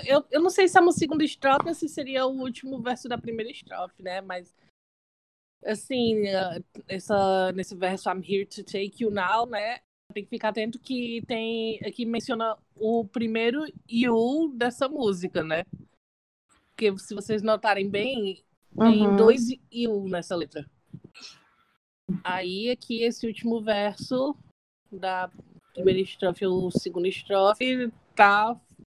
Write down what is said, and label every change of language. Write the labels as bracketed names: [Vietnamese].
[Portuguese] Eu não sei se é uma segunda estrofe ou se seria o último verso da primeira estrofe, né? Mas, assim, nesse verso, [English] I'm here to take you now, [Portuguese] né? Tem que ficar atento que tem aqui menciona o primeiro you dessa música, né? Porque se vocês notarem bem, tem uhum. dois you nessa letra. Aí, aqui, esse último verso da primeira estrofe ou segunda estrofe tá...